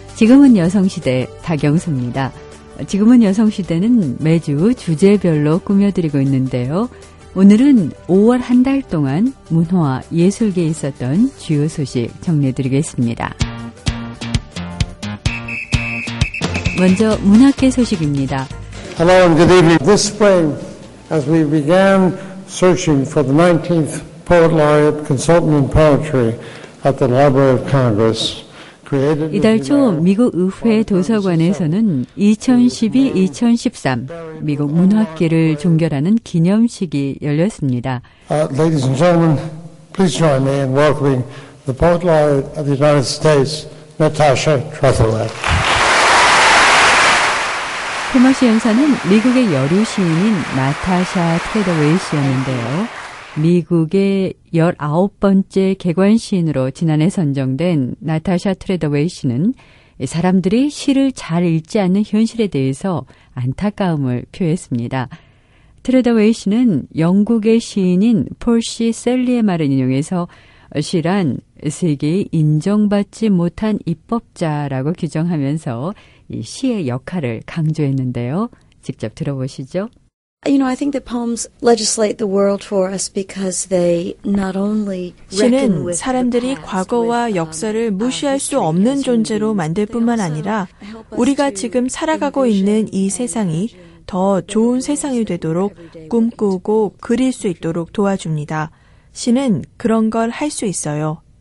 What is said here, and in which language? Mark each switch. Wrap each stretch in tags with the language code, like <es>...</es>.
<ko>지금은 여성시대 박영수입니다. 지금은 여성시대는 매주 주제별로 꾸며드리고 있는데요. 오늘은 5월 한 달 동안 문화 예술계에 있었던 주요 소식 정리해드리겠습니다. 먼저 문학계 소식입니다.</ko> <en>Hello and good evening. This spring, as we began searching for the 19th Poet Laureate Consultant in Poetry at the Library of Congress,</en> <ko>이달 초 미국 의회 도서관에서는 2012-2013 미국 문학계를 종결하는 기념식이 열렸습니다.</ko> <en>Ladies and gentlemen, please join me in welcoming the Poet Laureate of the United States, Natasha Trethewey.</en> <ko>토마스 연사는 미국의 여류 시인인 나타샤 트레더웨이 씨였는데요. 미국의 19번째 개관 시인으로 지난해 선정된 나타샤 트레더웨이 씨는 사람들이 시를 잘 읽지 않는 현실에 대해서 안타까움을 표했습니다. 트레더웨이 씨는 영국의 시인인 폴시 셀리의 말을 인용해서 시란 세계의 인정받지 못한 입법자라고 규정하면서 이 시의 역할을 강조했는데요. 직접 들어보시죠.</ko> <en>You know, I think that poems legislate the world for us because they not only reckon with</en> <ko>사람들이 과거와 역사를 무시할 수 없는 존재로 만들 뿐만 아니라 우리가 지금 살아가고 있는 이 세상이 더 좋은 세상이 되도록 꿈꾸고 그릴 수 있도록 도와줍니다. 시는 그런 걸 할 수 있어요.</ko>